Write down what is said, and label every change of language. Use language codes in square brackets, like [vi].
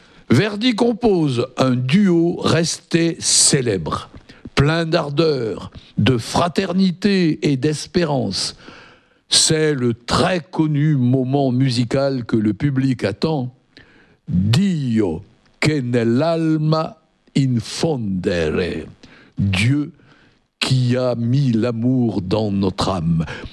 [fr] Verdi compose un duo resté célèbre, plein d'ardeur, de fraternité et d'espérance. C'est le très connu moment musical que le public attend. [it] Dio che nell'alma infondere. [fr] Dieu qui a mis l'amour dans notre âme.